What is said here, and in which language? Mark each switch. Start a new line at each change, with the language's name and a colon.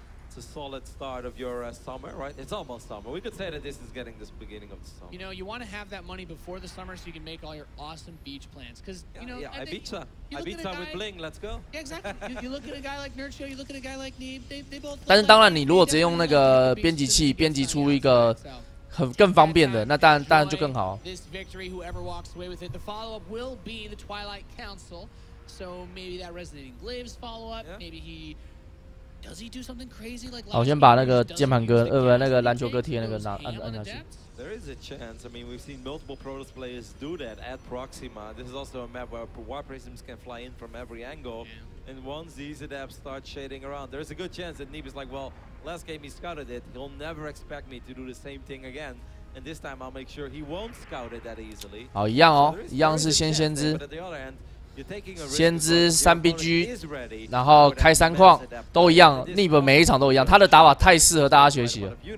English: It's a solid start of your summer, right? It's almost summer. We could say that this is getting this beginning of the summer. You know, you want to have that money before the summer so you can make all your awesome beach plans. Because, you know, yeah, Ibiza with Bling, let's go. Yeah, exactly. You look at a guy like Nurcio, you look at a guy like Neeb, they both.
Chinese: 但是当然，你如果直接用那个编辑器编辑出一个很更方便的，那当然就更好。
English: This victory, whoever walks away with it, the follow up will be the Twilight Council. So maybe that Resonating Glaives follow up, maybe he. Does he do something crazy like?
Chinese: 好，先把那个键盘哥，那个篮球哥贴那个按下去。
English: There is a chance. I mean, we've seen multiple Protoss players do that at Proxima. This is also a map where War Prisms can fly in from every angle. And once these adepts start shading around, there's a good chance that Neeb is like, well, last game he scouted it. He'll never expect me to do the same thing again. And this time I'll make sure he won't scout it that easily.
Chinese: 好，一样哦，一样是先知。先知三 BG， 然后开三矿都一样 ，Neeb 每一场都一样，他的打法太适合大家学习了。